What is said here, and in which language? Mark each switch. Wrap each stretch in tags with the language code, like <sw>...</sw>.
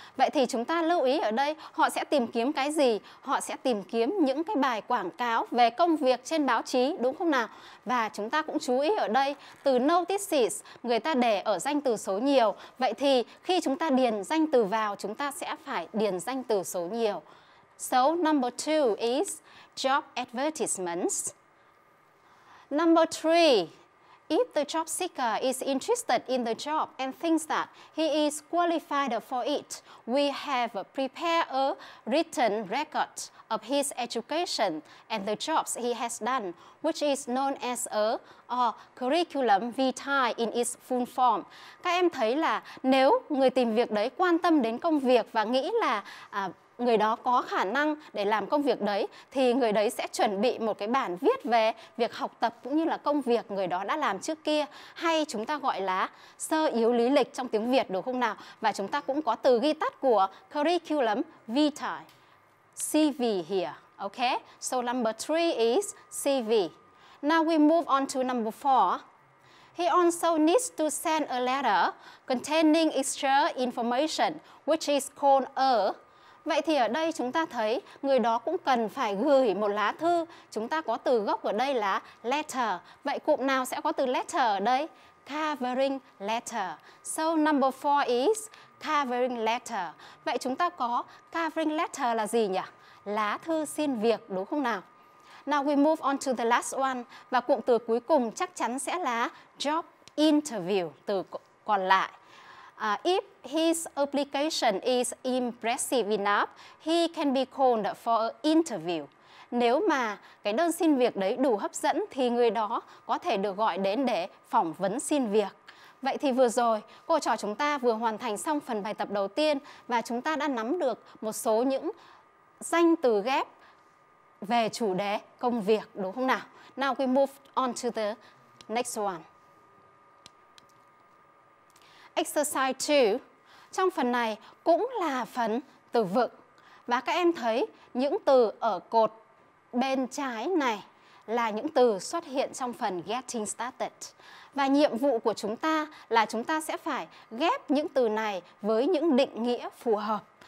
<vi>Vậy thì chúng ta lưu ý ở đây, họ sẽ tìm kiếm cái gì? Họ sẽ tìm kiếm những cái bài quảng cáo về công việc trên báo chí, đúng không nào? Và chúng ta cũng chú ý ở đây, từ notices, người ta để ở danh từ số nhiều. Vậy thì khi chúng ta điền danh từ vào, chúng ta sẽ phải điền danh từ số nhiều.</vi> <en>So number two is job advertisements. Number three, if the job seeker is interested in the job and thinks that he is qualified for it, we have prepared a written record of his education and the jobs he has done, which is known as a curriculum vitae in its full form.</en> <vi>Các em thấy là nếu người tìm việc đấy quan tâm đến công việc và nghĩ là người đó có khả năng để làm công việc đấy thì người đấy sẽ chuẩn bị một cái bản viết về việc học tập cũng như là công việc người đó đã làm trước kia, hay chúng ta gọi là sơ yếu lý lịch trong tiếng Việt, đúng không nào? Và chúng ta cũng có từ ghi tắt của curriculum vitae, CV here.</vi> <en>Okay, so number three is CV. Now we move on to number four. He also needs to send a letter containing extra information, which is called a.</en> <vi>Vậy thì ở đây chúng ta thấy người đó cũng cần phải gửi một lá thư. Chúng ta có từ gốc ở đây là letter. Vậy cụm nào sẽ có từ letter ở đây?</vi> <en>Covering letter. So number four is covering letter.</en> <vi>Vậy chúng ta có covering letter là gì nhỉ? Lá thư xin việc, đúng không nào?</vi> <en>Now we move on to the last one.</en> <vi>Và cụm từ cuối cùng chắc chắn sẽ là job interview, từ còn lại.</vi> <en>If his application is impressive enough, he can be called for an interview.</en> <vi>Nếu mà cái đơn xin việc đấy đủ hấp dẫn thì người đó có thể được gọi đến để phỏng vấn xin việc. Vậy thì vừa rồi, cô trò chúng ta vừa hoàn thành xong phần bài tập đầu tiên và chúng ta đã nắm được một số những danh từ ghép về chủ đề công việc, đúng không nào?</vi> <en>Now we move on to the next one. Exercise 2.</en> <vi>Trong phần này cũng là phần từ vựng. Và các em thấy những từ ở cột bên trái này là những từ xuất hiện trong phần getting started. Và nhiệm vụ của chúng ta là chúng ta sẽ phải ghép những từ này với những định nghĩa phù hợp.</vi>